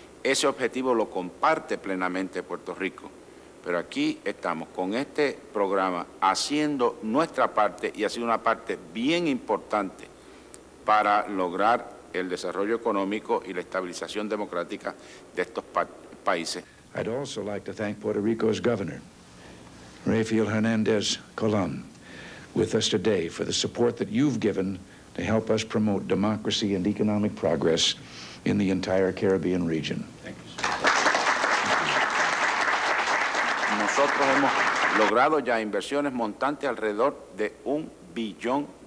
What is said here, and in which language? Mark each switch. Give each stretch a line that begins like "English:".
Spanish: Ese objetivo lo comparte plenamente Puerto Rico, pero aquí estamos con este programa haciendo nuestra parte y ha sido una parte bien importante para lograr el desarrollo económico y la estabilización democrática de estos países.
English: I'd also like to thank Puerto Rico's governor, Rafael Hernandez Colón, with us today for the support that you've given to help us promote democracy and economic progress in the entire Caribbean region. Thank you, sir.
Spanish: Nosotros hemos logrado ya inversiones montantes alrededor de $1 billón.